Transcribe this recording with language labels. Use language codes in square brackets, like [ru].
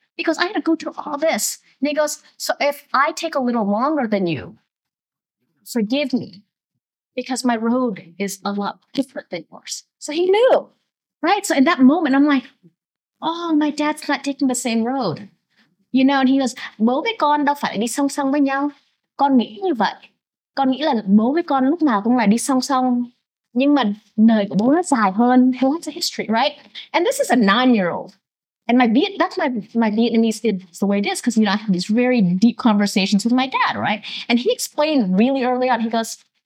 [en] He goes, I had to go through all this. And he goes, so if I take a little longer than you, forgive me. Because my road is a lot different than yours. So he knew, right? So in that moment, I'm like, oh, my dad's not taking the same road. You know, and he goes, [vi] bố với con đâu phải đi song song với nhau. Con nghĩ như vậy. Con nghĩ là bố với con lúc nào cũng là đi song song. Nhưng mà đời của bố nó dài hơn. [en] He wants a history, right? And this is a nine-year-old. And that's my Vietnamese is the way it is because, you know, I have these very deep conversations with my dad, right? And he explained really early on, he goes,